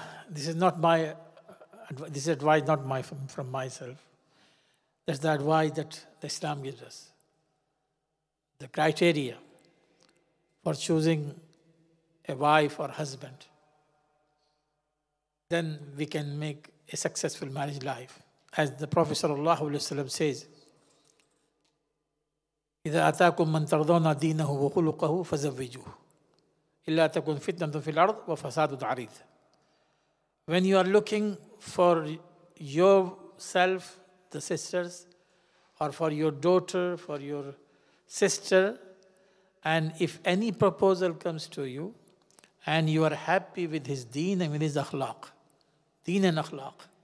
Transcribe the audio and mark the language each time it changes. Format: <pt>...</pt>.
<en>This is advice not from myself. That's the advice that the Islam gives us. the criteria for choosing a wife or husband, then we can make a successful marriage life.</en> <ar>As the Prophet sallallahu alaihi wasallam says, إِذَا أَتَاكُم مَّن تَرْضَوْنَ دِينَهُ وَخُلُقَهُ فَزَوِّجُوهُ إِلَّا تَكُن فِتْنَةٌ فِي الْأَرْضِ وَفَسَادٌ عَرِيضٌ.</ar> <en>When you are looking for yourself, the sisters, or for your daughter, for your sister, and if any proposal comes to you, and you are happy with his deen and with his akhlaq, deen and akhlaq.</en>